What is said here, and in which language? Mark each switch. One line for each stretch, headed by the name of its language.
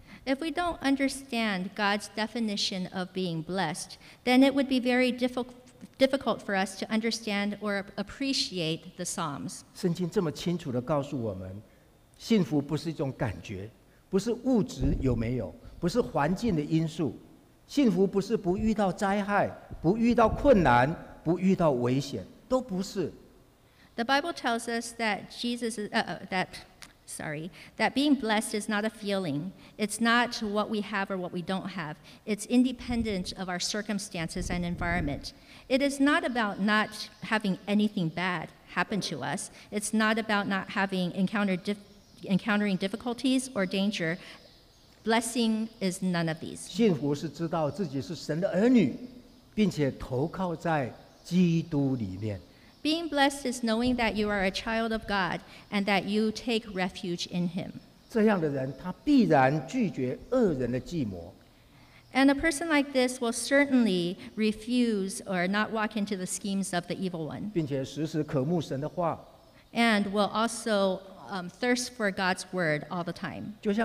English: If we don't understand God's definition of being blessed, then it would be very difficult for us to understand or appreciate the Psalms.
Chinese: 圣经这么清楚地告诉我们，幸福不是一种感觉，不是物质有没有。不是环境的因素，幸福不是不遇到灾害、不遇到困难、不遇到危险，都不是。
English: The Bible tells us that sorry, that being blessed is not a feeling. It's not what we have or what we don't have. It's independent of our circumstances and environment. It is not about not having anything bad happen to us. It's not about not having encountering difficulties or danger. Blessing is none of these.
Chinese: 幸福是知道自己是神的儿女, 并且投靠在基督里面。
English: Being blessed is knowing that you are a child of God and that you take refuge in Him.
Chinese: 这样的人他必然拒绝恶人的计谋。
English: And a person like this will certainly refuse or not walk into the schemes of the evil one.
Chinese: 并且时时渴慕神的话。
English: And will also thirst for God's word all the time.